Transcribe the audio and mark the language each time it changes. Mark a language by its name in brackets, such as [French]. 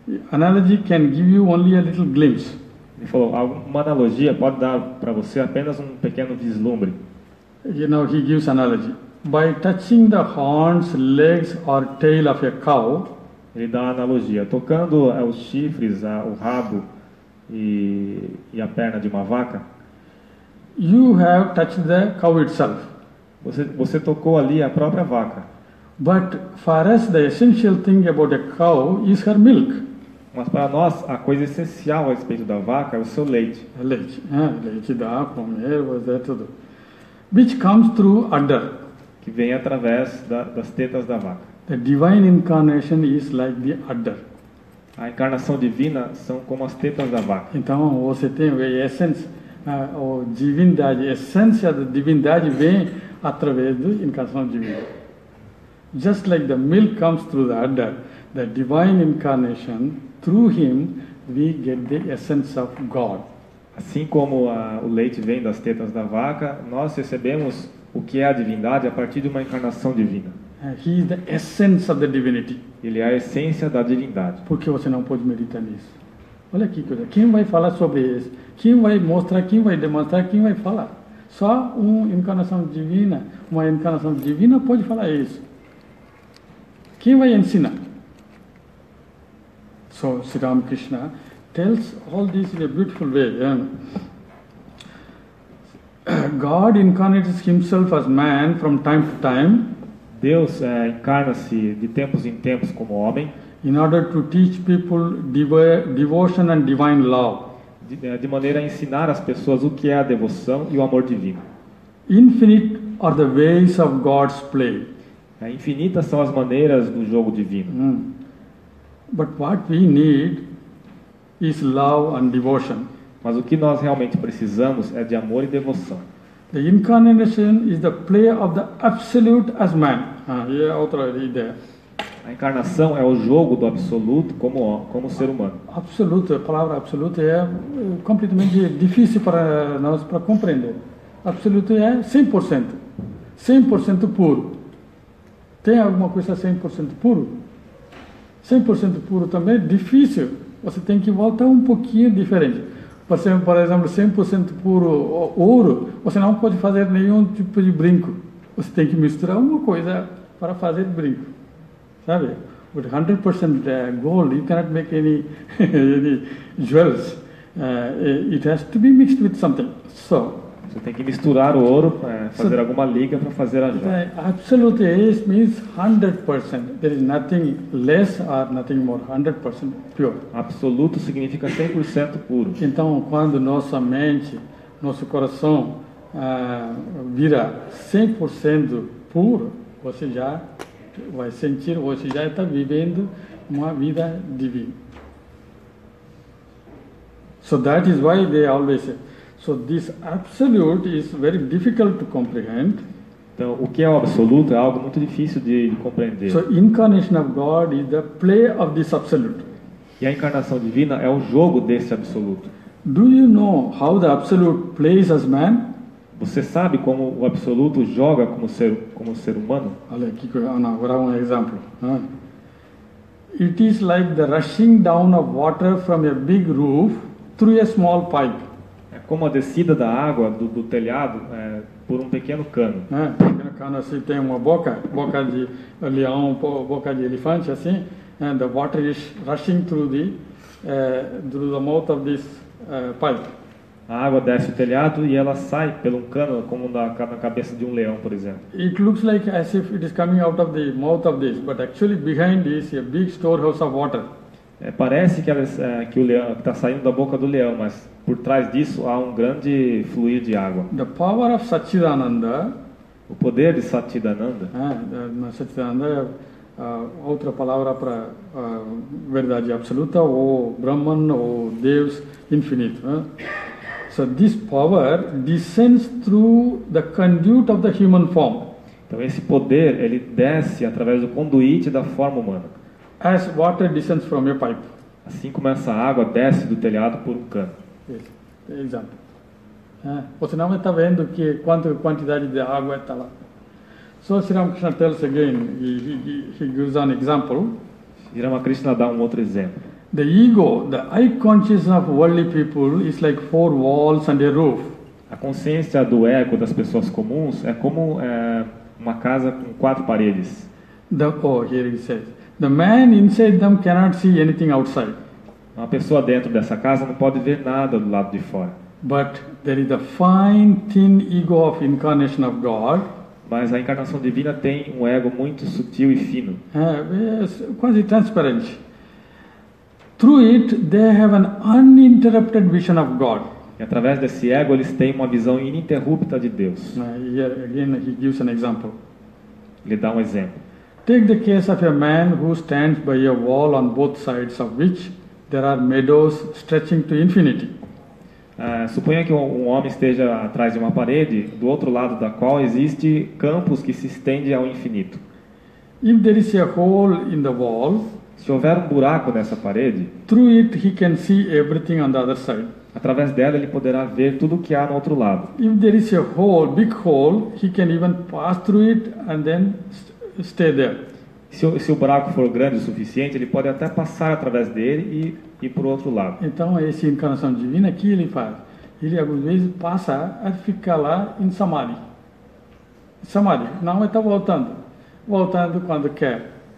[English] Analogy can give you only a little glimpse. [Portuguese] Ele falou, uma analogia pode dar para você apenas um pequeno vislumbre. [English] You know, he gives analogy. By touching the horns, legs or tail of a cow. [Portuguese] Ele dá uma analogia. Tocando os chifres, o rabo, e a perna de uma vaca. [English] You have touched the cow itself. [Portuguese] Você tocou ali a própria vaca. [English] But for us the essential thing about a cow is her milk. [Portuguese] Mas para nós a coisa essencial a respeito da vaca é o seu leite. Leite dá comer, fazer tudo. [English] Which comes through udder. [Portuguese] Que vem através das tetas da vaca. [English] The divine incarnation is like the udder. [Portuguese] A encarnação divina são como as tetas da vaca. Então você tem a essência, a divindade, a essência da divindade vem através da encarnação divina. [English] Just like the milk comes through the udder, the divine incarnation, through him, we get the essence of God. [Portuguese] Assim como o leite vem das tetas da vaca, nós recebemos o que é a divindade a partir de uma encarnação divina. [English] He is the essence of the divinity. [Portuguese] Ele é a essência da divindade. Por que você não pode meditar nisso? Olha que coisa. Quem vai falar sobre isso? Quem vai mostrar? Quem vai demonstrar? Quem vai falar? Só uma encarnação divina pode falar isso. Quem vai ensinar? [English] So, Sri Ramakrishna tells all this in a beautiful way. God incarnates himself as man from time to time. [Portuguese] Deus encarna-se de tempos em tempos como homem. [English] In order to teach people devotion and divine love. [Portuguese] De maneira a ensinar as pessoas o que é a devoção e o amor divino. [English] Infinite are the ways of God's play. [Portuguese] Infinitas são as maneiras do jogo divino. [English] But what we need is love and devotion. [Portuguese] Mas o que nós realmente precisamos é de amor e devoção. [English] The incarnation is the play of the absolute as man. Here [Portuguese] outra ideia. A encarnação é o jogo do absoluto como ser humano. Absoluto, a palavra absoluto é completamente difícil para nós para compreender. Absoluto é 100%. 100% puro. Tem alguma coisa 100% puro? 100% puro também é difícil. Você tem que voltar um pouquinho diferente. Por exemplo, 100% puro ouro, você não pode fazer nenhum tipo de brinco. Você tem que misturar uma coisa para fazer brinco. Sabe? [English] With 100% gold, you cannot make any jewels. It has to be mixed with something. So, [Portuguese] Você tem que misturar o ouro, fazer alguma liga para fazer a joia. [English] Absolute ace means 100%. There is nothing less or nothing more. 100% pure. [Portuguese] Absoluto significa 100% puro. Então, quando nossa mente, nosso coração vira 100% puro, você já vai sentir, você já está vivendo uma vida divina. [English] So that is why they always say, so this absolute is very difficult to comprehend. [Portuguese] Então, o que é o absoluto é algo muito difícil de compreender. [English] So incarnation of God is the play of this absolute. [Portuguese] E a encarnação divina é o jogo desse absoluto. [English] Do you know how the absolute plays as man? [Portuguese] Você sabe como o absoluto joga como ser humano? Olha aqui, agora um exemplo. [English] It is like the rushing down of water from a big roof through a small pipe. [Portuguese] É como a descida da água do telhado por um pequeno cano. Pequeno cano assim tem uma boca de leão, boca de elefante assim. [English] And the water is rushing through the mouth of this pipe. [Portuguese] A água desce o telhado e ela sai pelo um cano como na cabeça de um leão, por exemplo. [English] It looks like as if it is coming out of the mouth of this, but actually behind this is a big storehouse of water. [Portuguese] Parece que o leão está saindo da boca do leão, mas por trás disso há um grande fluir de água. [English] The power of Satchidananda. [Portuguese] O poder de Satchidananda. Satchidananda é outra palavra para verdade absoluta ou Brahman ou Deus infinito. [English] So this power descends through the conduit of the human form. [Portuguese] Então esse poder ele desce através do conduíte da forma humana. [English] As water descends from a pipe. [Portuguese] Assim como essa água desce do telhado por um cano. Exato. Você não está vendo que quantidade de água está lá. [English] So Sri Ramakrishna tells again, he gives an example. [Portuguese] Sri Ramakrishna dá um outro exemplo. [English] The ego, the I consciousness of worldly people is like four walls and a roof. [Portuguese] A consciência do ego das pessoas comuns é como uma casa com quatro paredes. [English] Here he says, the man inside them cannot see anything outside. [Portuguese] Uma pessoa dentro dessa casa não pode ver nada do lado de fora. [English] But there is a fine, thin ego of incarnation of God. [Portuguese] Mas a encarnação divina tem um ego muito sutil e fino. Quase transparente. [English] Through it, they have an uninterrupted vision of God. [Portuguese] E através desse ego, eles têm uma visão ininterrupta de Deus. [English] Here again, he gives an example. [Portuguese] Ele dá um exemplo. [English] Take the case of a man who stands by a wall on both sides of which there are meadows stretching to infinity. [Portuguese] Suponha que um homem esteja atrás de uma parede, do outro lado da qual existe campos que se estendem ao infinito. [English] If there is a hole in the wall, [Portuguese] se houver um buraco nessa parede, [English] through it he can see everything on the other side. [Portuguese] Através dela ele poderá ver tudo o que há no outro lado. [English] If there is a hole, big hole, he can even pass through it and then stay there. [Portuguese] Se o buraco for grande o suficiente, ele pode até passar através dele e ir para o outro lado. Então, essa encarnação divina, o que ele faz? Ele, algumas vezes, passa a ficar lá em Samadhi. Samadhi. Não está voltando. Voltando quando quer.